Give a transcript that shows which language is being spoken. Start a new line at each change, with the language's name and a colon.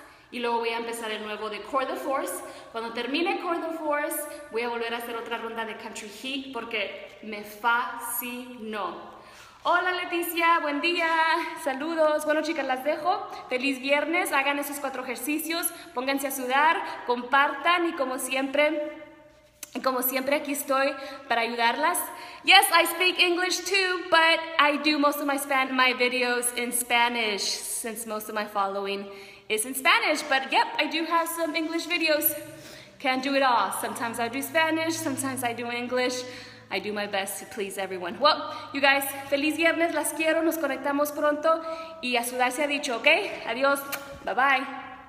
Spanish: Y luego voy a empezar el nuevo de Core the Force. Cuando termine Core the Force, voy a volver a hacer otra ronda de Country Heat porque me fascinó. Hola Leticia, buen día, saludos. Bueno chicas, las dejo. Feliz viernes, hagan esos 4 ejercicios, pónganse a sudar, compartan y como siempre aquí estoy para ayudarlas.
English: Yes, I speak English too, but I do most of my videos in Spanish since most of my following is in Spanish, but yep, I do have some English videos. Can't do it all. Sometimes I do Spanish, sometimes I do English. I do my best to please everyone. Well, you guys,
Spanish: feliz viernes, las quiero, nos conectamos pronto, y a sudar se ha dicho, ¿ok? Adiós,
English: bye bye.